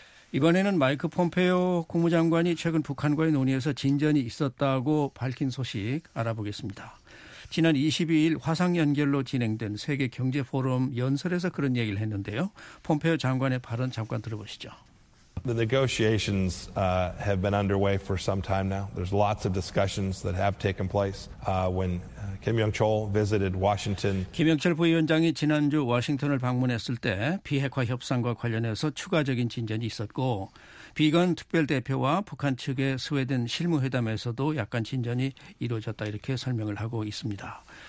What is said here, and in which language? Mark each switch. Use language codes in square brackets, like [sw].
[ko] 이번에는 마이크 폼페이오 국무장관이 최근 북한과의 논의에서 진전이 있었다고 밝힌 소식 알아보겠습니다. 지난 22일 화상 연결로 진행된 세계 경제 포럼 연설에서 그런 얘기를 했는데요. 폼페이오 장관의 발언 잠깐 들어보시죠. [en] The negotiations have been underway for some time now. There's lots of discussions that have taken place. When Kim Young-chol visited Washington, [ko] 김영철 부위원장이 지난주 워싱턴을 방문했을 때 비핵화 협상과 관련해서 추가적인 진전이 있었고 비건 특별대표와 북한 측의 스웨덴 실무회담에서도 약간 진전이 이루어졌다 이렇게 설명을 하고 있습니다.